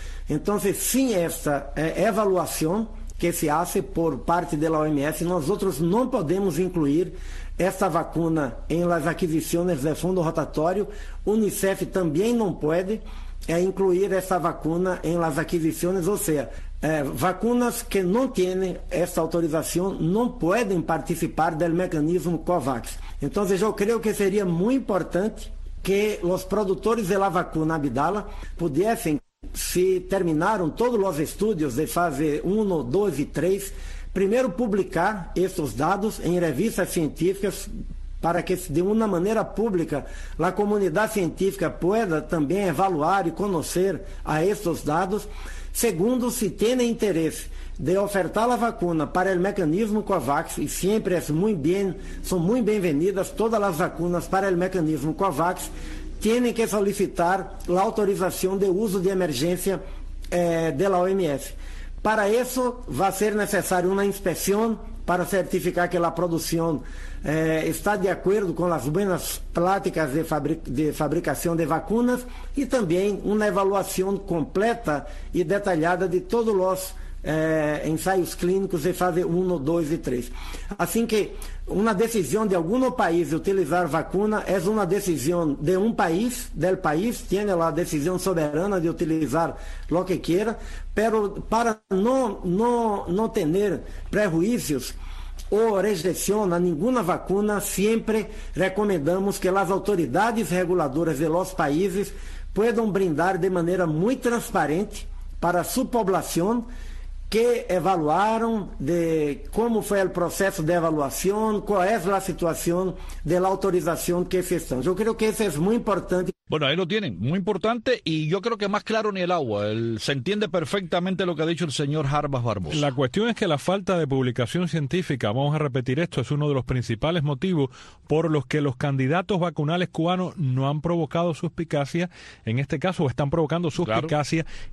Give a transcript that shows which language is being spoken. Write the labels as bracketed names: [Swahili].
[Spanish] Entonces, sin esta evaluación que se hace por parte de la OMS, nosotros no podemos incluir esta vacuna en las adquisiciones del fondo rotatorio. UNICEF también no puede incluir esta vacuna en las adquisiciones, o sea, vacunas que no tienen esta autorización no pueden participar del mecanismo COVAX. Entonces yo creo que sería muy importante que los productores de la vacuna Abdala pudiesen, [Portuguese] se terminaram todos os estudos de fase 1, 2 e 3, primeiro publicar esses dados em revistas científicas para que, de uma maneira pública, a comunidade científica possa também evaluar e conhecer a esses dados. Segundo, se tem interesse de ofertar a vacuna para o mecanismo COVAX, e sempre são muito bem-vindas todas as vacunas para o mecanismo COVAX, [Spanish] tienen que solicitar la autorización de uso de emergencia de la OMS. Para eso va a ser necesaria una inspección para certificar que la producción está de acuerdo con las buenas prácticas de fabricación de vacunas, y también una evaluación completa y detallada de todos los ensaios clínicos de fase 1, 2 e 3. [Portuguese] Assim que uma decisão de algum país de utilizar vacuna é uma decisão de um país, del país, tem a decisão soberana de utilizar o que queira, mas para não ter prejuízos ou rejeição a nenhuma vacuna, sempre recomendamos que as autoridades reguladoras de los países possam brindar de maneira muito transparente para a sua população, que evaluaram de como foi o processo de avaliação, qual é a situação de la autorização que se estão. Eu creo que isso é muito importante. [Spanish] Bueno, ahí lo tienen, muy importante, y yo creo que más claro ni el agua. Se entiende perfectamente lo que ha dicho el señor Jarbas Barbosa. La cuestión es que la falta de publicación científica, vamos a repetir esto, es uno de los principales motivos por los que los candidatos vacunales cubanos no han provocado suspicacia, en este caso, o están provocando suspicacia. Claro.